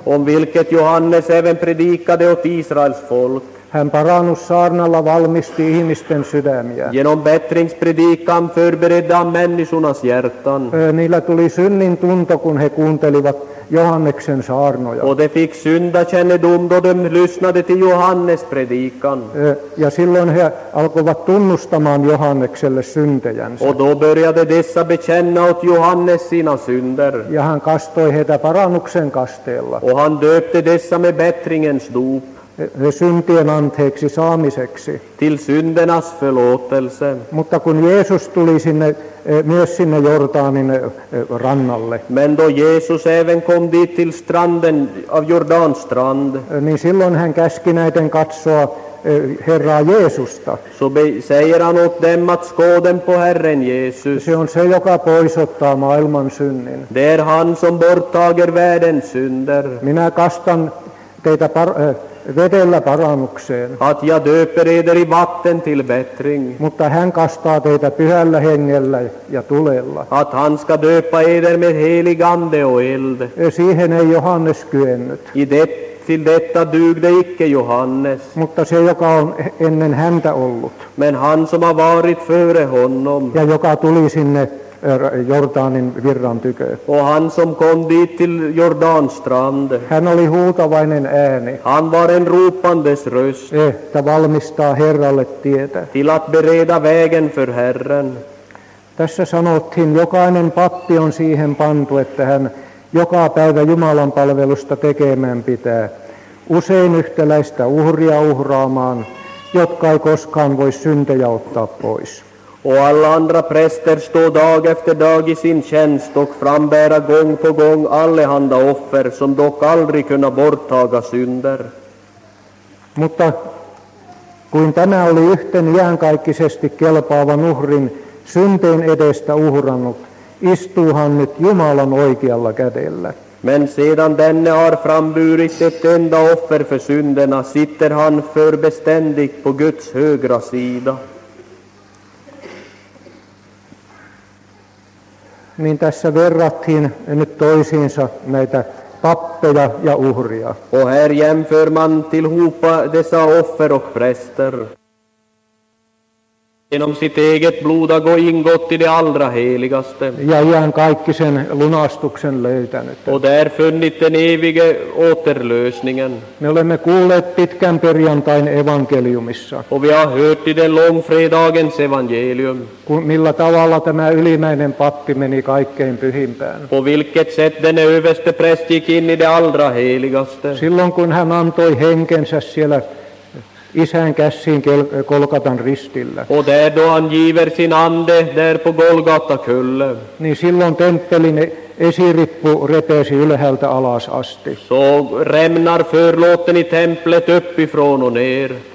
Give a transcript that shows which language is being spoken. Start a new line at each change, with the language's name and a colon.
Swedish: Om vilket Johannes även predikade åt Israels folk.
Finnish: Hän parannussaarnalla valmisti ihmisten sydämiä.
Swedish: Genom bättringspredikan förberedde han människornas hjärtan.
Finnish: Niillä tuli synnin tunto, kun he kuuntelivat Johanneksen saarnoja.
Swedish: Och de fick syndakännedom då de lyssnade till Johannes predikan.
Finnish: Ja silloin he alkoivat tunnustamaan Johannekselle syntejänsä.
Swedish: Och då började dessa bekänna åt Johannes sina synder.
Finnish: Ja hän kastoi heitä parannuksen kasteella.
Swedish: Och han döpte dessa med bättringens dop.
Finnish: Syntien anteeksi saamiseksi.
Swedish: Till syndernas förlåtelse.
Finnish: Mutta kun Jeesus tuli sinne, myös sinne Jordanin rannalle.
Swedish: Men då Jesus även kom dit till stranden av Jordans strand.
Finnish: Niin silloin hän käski näiden katsoa Herraa Jeesusta.
Swedish: Så säger han åt dem att skåden på Herren Jesus.
Finnish: Se on se, joka poisottaa maailman synnin.
Swedish: Det är han som borttager världens synder.
Finnish: Minä kastan teitä vedellä parannukseen.
Swedish: Att jag döper eder i vatten till bättring.
Finnish: Mutta hän kastaa teitä pyhällä hengellä ja tulella.
Swedish: Att han ska döpa eder med helig ande och eld.
Finnish: Siihen ei Johannes kyennyt.
Swedish: I det Till detta dugde icke Johannes.
Finnish: Mutta se, joka on ennen häntä ollut.
Swedish: Men han som har varit före honom.
Finnish: Ja joka tuli sinne Jordanin virran tykö.
Swedish: Och han som kom dit till Jordanstrand.
Finnish: Hän oli huutavainen ääni.
Swedish: Han var en ropandes röst.
Finnish: Että valmistaa Herralle tietä.
Swedish: Till att bereda vägen för Herren.
Finnish: Tässä sanottiin, jokainen pappi on siihen pantu, että hän joka päivä Jumalan palvelusta tekemään pitää, usein yhtäläistä uhria uhraamaan, jotka ei koskaan voi syntejä ottaa pois.
Swedish: Och alla andra präster står dag efter dag i sin tjänst och frambära gång på gång allehanda offer, som dock aldrig kunna borttaga synder.
Finnish: Mutta kuin tämä oli yhten iänkaikkisesti kelpaavan uhrin synteen edestä uhrannut, istuu han nyt Jumalan oikealla kädellä.
Swedish: Men sedan denne har framburit ett enda offer för synderna, sitter han förbeständigt på Guds högra sida.
Finnish: Niin tässä verrattiin nyt toisiinsa näitä pappeja ja uhria.
Swedish: Och här jämför man tillhopa dessa offer och präster. Genom sitt eget blod har gått ingått i det allra heligaste.
Finnish: Ja ihan kaikki sen lunastuksen löytänyt.
Swedish: Och där funnit den evige återlösningen.
Finnish: Me olemme kuulleet pitkän perjantain evankeliumissa.
Swedish: Och vi har hört i den långfredagens evangelium.
Finnish: Millä tavalla tämä ylimäinen pappi meni kaikkein pyhimpään.
Swedish: På vilket sätt den överste präst gick in i det allra heligaste.
Finnish: Silloin kun hän antoi henkensä siellä Isän käsiin Golgatan ristillä.
Swedish: Och där då han giver sin ande där på Golgata kylle.
Finnish: Niin silloin temppelin esirippu repesi ylhäältä alas asti.
Swedish: Så rämnar förlåten i templet uppifrån och ner.